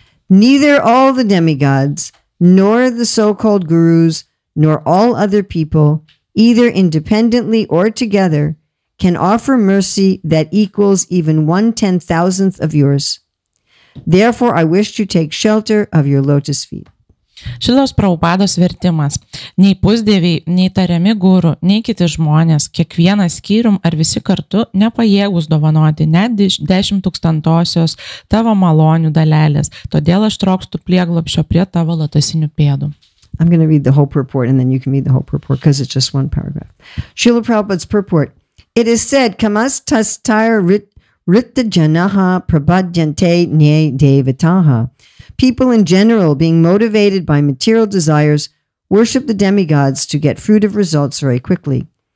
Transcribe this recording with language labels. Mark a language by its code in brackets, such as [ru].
[en] Neither all the demigods, nor the so-called gurus, nor all other people, either independently or together, can offer mercy that equals even 1/10,000th of yours. Therefore, I wish to take shelter of your lotus feet. [lt] Šilos Prabhupados vertimas. Nei pusdėviai, nei tariami guru, nei kiti žmonės, kiekvienas skyrium ar visi kartu nepajėgus dovanoti net 10,000 tavo malonių dalelės. Todėl aš trokštu prieglobšio prie tavo lotosinių pėdų. [en] I'm going to read the whole purport and then you can read the whole purport because it's just one paragraph. Srila Prabhupada's purport. It is said, [sa] kamas tas tair ritta janaha prabhadyante ne devataha. [en] People in general, being motivated by material desires, worship the demigods to get fruit of results very quickly.